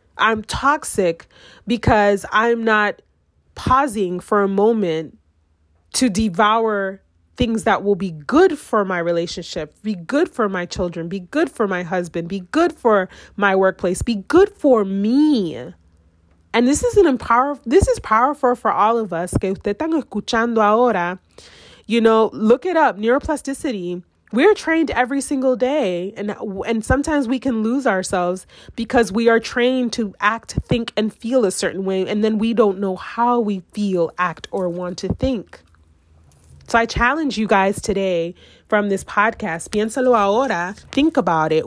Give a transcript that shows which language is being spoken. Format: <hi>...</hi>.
<en>I'm toxic because I'm not pausing for a moment to devour things that will be good for my relationship, be good for my children, be good for my husband, be good for my workplace, be good for me. And this is powerful for all of us.</en> <es>Que usted están escuchando ahora.</es> <en>You know, look it up, neuroplasticity. We're trained every single day, and sometimes we can lose ourselves because we are trained to act, think, and feel a certain way, and then we don't know how we feel, act, or want to think. So I challenge you guys today from this podcast, Piénsalo Ahora, think about it.</en>